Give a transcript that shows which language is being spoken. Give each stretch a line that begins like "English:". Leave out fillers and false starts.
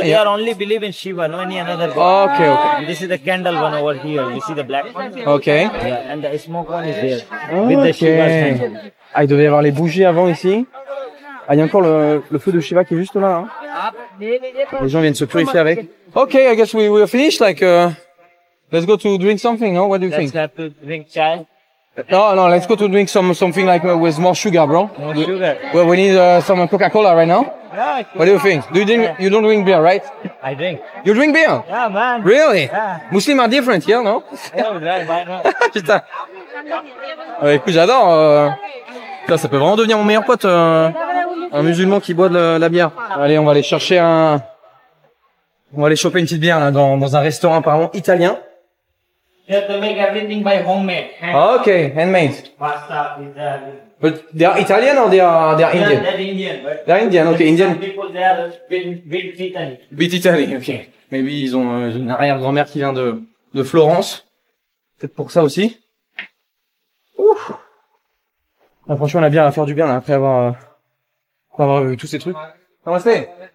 English: They are only believe in Shiva, no any other God. Okay, okay. And this is the candle one over here. You see the black one? Okay. Yeah, and the smoke one is there. Okay. With the Shiva
French: candle. Ah, il devait y avoir les bougies avant ici. Ah, il y a encore le feu de Shiva qui est juste là. Hein. Les gens viennent se purifier avec.
English: Okay, I guess we are finished, Let's go to drink something, no? What do you think? Let's have to drink chai. No, let's go to drink something like with more sugar, bro. More sugar. Well, we need some Coca-Cola right now. Yeah. What do you think? Do you drink? You don't drink beer, right? I drink. You drink beer? Yeah, man. Really? Yeah. Muslims are different, yeah, no? Yeah, right, why not?
French: Putain. Écoute, j'adore. Putain, ça peut vraiment devenir mon meilleur pote, un musulman qui boit de la bière. Allez, on va aller chercher un. On va aller choper une petite bière là dans un restaurant apparemment italien.
English: They have to make everything by homemade. Okay, handmade. Pasta, pizza. But they are Italian or they are Indian? They're Indian, okay, Indian. Some people, they are a bit Italian, okay.
French: Maybe ils ont une arrière-grand-mère qui vient de Florence. Peut-être pour ça aussi. Ouf. Là, franchement, la bière va faire du bien, là, après avoir vu tous ces trucs. Namaste.